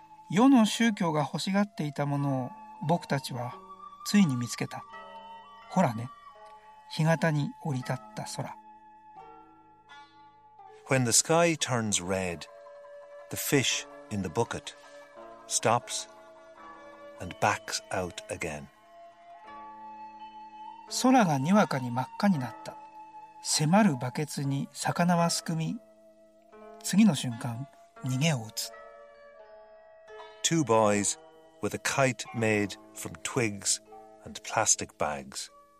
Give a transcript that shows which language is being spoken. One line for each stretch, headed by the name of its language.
Japanese: 世の宗教が欲しがっていたものを僕たちはついに見つけた。ほらね、日向に降り立った空。
English: When the sky turns red, the fish in the bucket stops and backs out again.
Japanese: 空がにわかに真っ赤になった。迫るバケツに魚はすくみ、次の瞬間逃げを打つ。
English: Two boys with a kite made from twigs and plastic bags.